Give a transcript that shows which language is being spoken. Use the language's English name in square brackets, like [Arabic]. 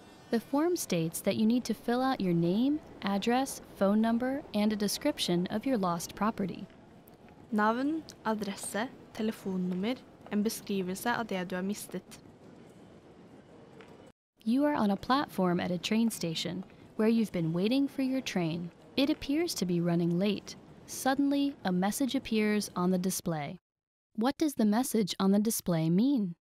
[English] The form states that you need to fill out your name, address, phone number, and a description of your lost property. [Norwegian] Navn, adresse, telefonnummer. En beskrivelse av det du har mistet. [English] You are on a platform at a train station, where you've been waiting for your train. It appears to be running late. Suddenly, a message appears on the display. What does the message on the display mean?